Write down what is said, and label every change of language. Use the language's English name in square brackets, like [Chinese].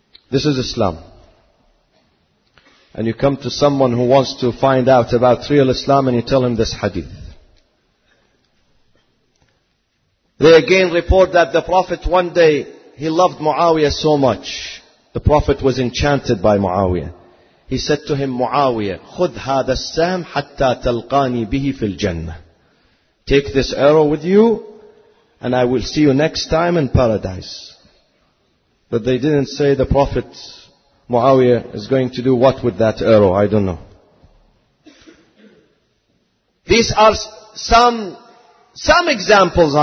[English] This is Islam. And you come to someone who wants to find out about real Islam and you tell him this hadith. They again report that the Prophet one day, he loved Muawiyah so much. The Prophet was enchanted by Muawiyah. He said to him, [Arabic] Muawiyah, خُذْ هَذَا السَّامْ حَتَّى تَلْقَانِي بِهِ فِي الْجَنَّةِ. [English] Take this arrow with you and I will see you next time in paradise. But they didn't say the Prophet Muawiyah is going to do what with that arrow. I don't know. These are some examples.